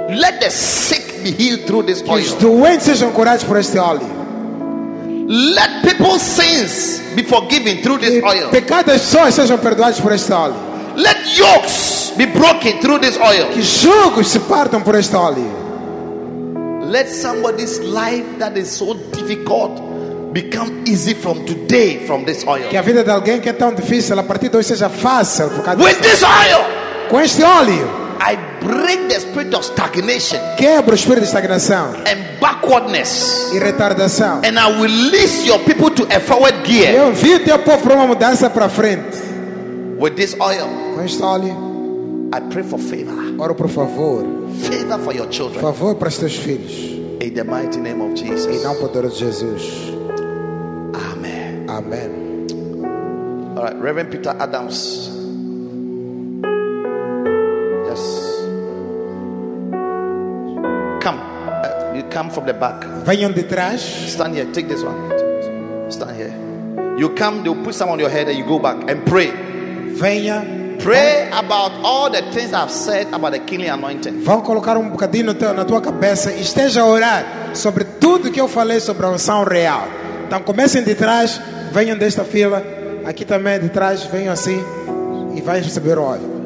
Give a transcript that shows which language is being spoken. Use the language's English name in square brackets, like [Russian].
[English] Let the sick be healed through this oil. [Portuguese] Que os doentes sejam curados por este óleo. [English] Let people's sins be forgiven through this oil. [Portuguese] Que pecados só sejam perdoados por este óleo. [English] Let yokes be broken through this oil. [Portuguese] Que jugos se partam por este óleo. [English] Let somebody's life that is so difficult become easy from today from this oil. [Portuguese] Que a vida de alguém que é tão difícil a partir de hoje seja fácil. [English] With this oil. [Portuguese] Com este óleo. [English] I break the spirit of stagnation. [Portuguese] Quebro o espírito de estagnação. [English] And backwardness. [Portuguese] E retardação. [English] And I release your people to a forward gear. [Portuguese] Eu envio teu povo para uma mudança para frente. [English] With this oil, [Portuguese] com este óleo, [English] I pray for favor. [Portuguese] Oro por favor. [English] Favor for your children. [Portuguese] Favor para os teus filhos. [English] In the mighty name of Jesus. [Portuguese] Em nome poderoso de Jesus. [English] Amen. [Portuguese] Amen. [English] All right, Reverend Peter Adams. Yes. Come. You come from the back. [Portuguese] Venham de trás. [English] Stand here. Take this one. Stand here. You come. They will put some on your head, and you go back and pray. [Portuguese] Venha. [English] Pray about all the things I've said about the kingly anointing. [Portuguese] Vão colocar um bocadinho na tua cabeça e esteja a orar sobre tudo que eu falei sobre a unção real. Então comecem de trás, venham desta fila, aqui também de trás, venham assim e vai receber o óleo.